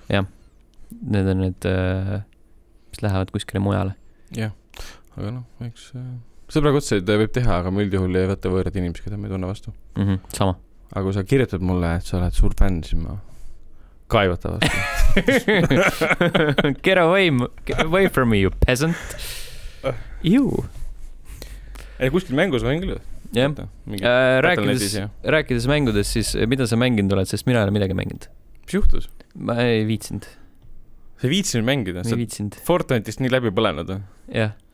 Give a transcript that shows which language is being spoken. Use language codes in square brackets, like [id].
[et] Jah. Need on need, mis lähevad kuskile mujale. jah , aga noh , eks sõbrakutseid võib teha , aga ma üldjuhul ei võta võõrad inimesed , keda ma ei tunne vastu. Sama. Aga kui sa kirjutad mulle, et sa oled suur fänn, siis ma kaivata vastu. [en] Get away, from me, you peasant. [et] Ei, kuskil mängus võin küll. Jah. Rääkides mängudes, siis mida sa mänginud oled, sest mina ei ole midagi mänginud. Mis juhtus? Ma ei viitsinud. Sa ei viitsinud mängida? Ei viitsinud. Fortnite'ist nii läbi põlenud. Jah.